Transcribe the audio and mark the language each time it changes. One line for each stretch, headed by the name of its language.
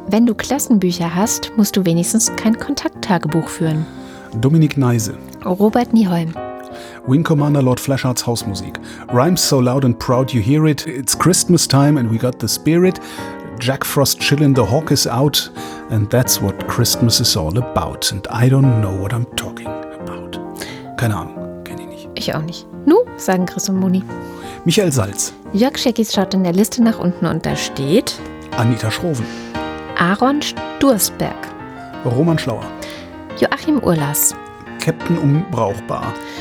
German: Wenn du Klassenbücher hast, musst du wenigstens kein Kontakttagebuch führen. Dominik Neise. Robert Nieholm. Wing Commander Lord Flesharts Hausmusik.
English: Rhymes so loud and proud you hear it. It's Christmas time and we got the spirit. Jack Frost chillin', the hawk is out. And that's what Christmas is all about. And I don't know what I'm talking about.
German: Keine Ahnung, kenn ich nicht. Ich auch nicht. Nu, sagen Chris und Moni. Michael Salz. Jörg Schäckis schaut in der Liste nach unten und da steht Anita Schroven. Aaron Sturzberg. Roman Schlauer. Joachim Urlas. Captain Unbrauchbar.